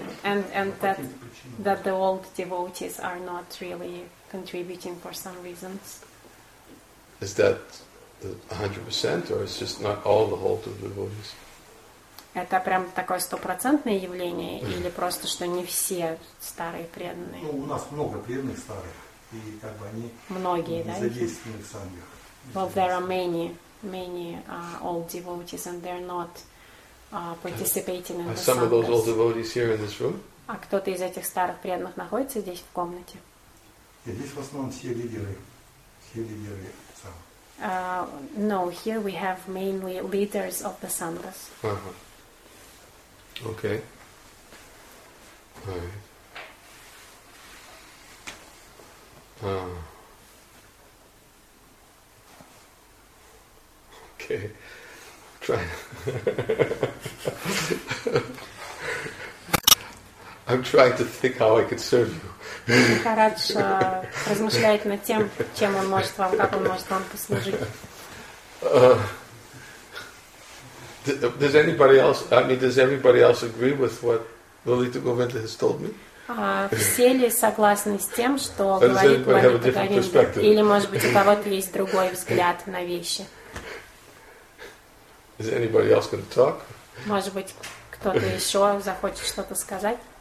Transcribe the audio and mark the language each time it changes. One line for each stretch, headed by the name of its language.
English: And that the old devotees are not really contributing for some reasons. Is that 100% or is just not all the whole of the devotees?
Russian: Это прям такое стопроцентное явление или просто что не все старые преданные? Ну, у нас много преданных старых, и как бы они многие, да? Задействованы в сангхе.
English: Well, there are many old devotees and they're not participating in the sanghas. Are some of those old devotees here in this room?
Russian: А кто-то из этих старых преданных находится здесь в комнате? Здесь в основном все лидеры сам.
English: No, here we have mainly leaders of the sanghas. Okay. Alright. Okay. I'm trying to think how I could serve you.
Russian: Махарадж размышляет над тем, чем он может вам, как он может вам послужить.
English: Does anybody else? I mean, does everybody else agree with what Lalita Govinda has told me?
Russian: Все ли согласны с тем, что говорит Лалита Говинда? Или, может быть, у кого-то есть другой взгляд на вещи?
English: Is anybody else going to talk?
Russian: Может быть, кто-то еще захочет что-то сказать?